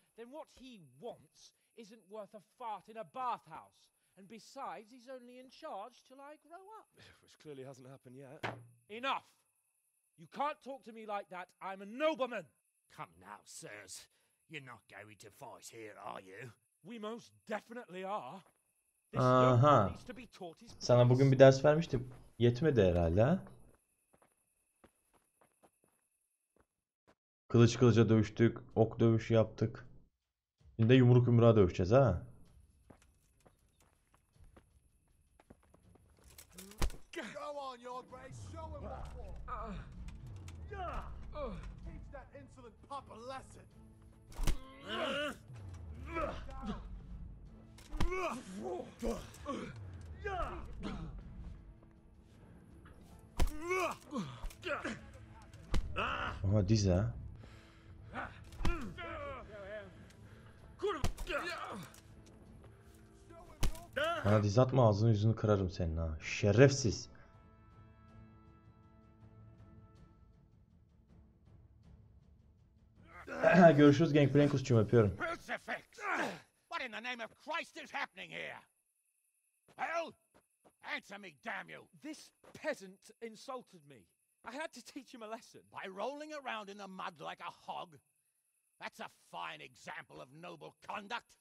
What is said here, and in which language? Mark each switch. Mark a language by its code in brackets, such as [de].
[en] then what he wants isn't worth a fart in a bathhouse. And besides, he's only in charge till I grow up. Which clearly hasn't happened yet. Enough! You can't talk to me like that. I'm a nobleman. Come now, sirs. You're not going to fight here, are you? We most definitely are. Aha. [tr] Sana bugün bir ders vermiştim. Yetmedi herhalde. Kılıç kılıca dövüştük. Ok dövüşü yaptık. Şimdi de yumruk yumruğa dövüşeceğiz ha. Aha dize. Bana diz atma, ağzını yüzünü kırarım senin ha. Şerefsiz. Görüşürüz Gangplankus'cum, öpüyorum. [en] What in the name of Christ is happening here? Well, answer me, damn you. This peasant insulted me. I had to teach him a lesson. By rolling around in the mud like a hog? That's a fine example of noble conduct.